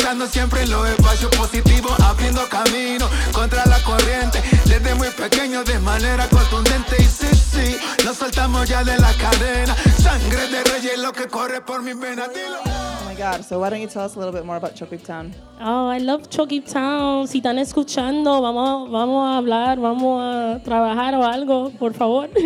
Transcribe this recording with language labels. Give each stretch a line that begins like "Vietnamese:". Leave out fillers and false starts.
Spanish: Siempre en los espacios positivos, abriendo camino contra la corriente. Desde muy pequeño, de manera contundente. Y sí, sí, nos soltamos ya de la cadena. Sangre de reyes, lo que corre por mis venas. Dilo.
English: God. So why don't you tell us a little bit more about Choquip Town? Oh, I love Choquip Town.
Spanish: Si están escuchando, vamos a hablar, vamos a trabajar o algo, por favor.